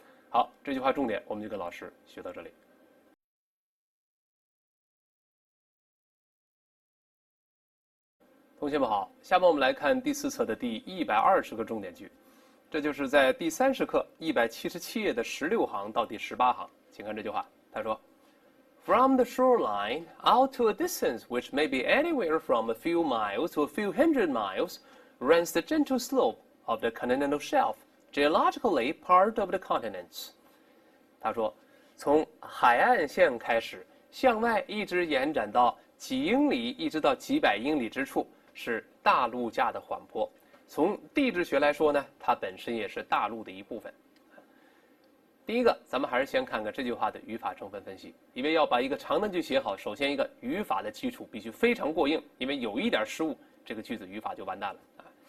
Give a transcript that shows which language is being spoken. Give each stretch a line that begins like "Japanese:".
Chinese: 好，这句话重点我们就跟老师学到这里。同学们好，下面我们来看第4册的第120个重点句，这就是在第30课177页的16行到第18行。
English: 请看这句话，他说 From the shoreline out to a distance which may be anywhere from a few miles to a few hundred miles runs the gentle slope of the continental shelf, geologically part of the continents.
Chinese: 他说，从海岸线开始，向外一直延展到几英里一直到几百英里之处，是大陆架的缓坡。从地质学来说呢，它本身也是大陆的一部分。第一个，咱们还是先看看这句话的语法成分分析。因为要把一个长的句写好，首先一个语法的基础必须非常过硬，因为有一点失误，这个句子语法就完蛋了啊。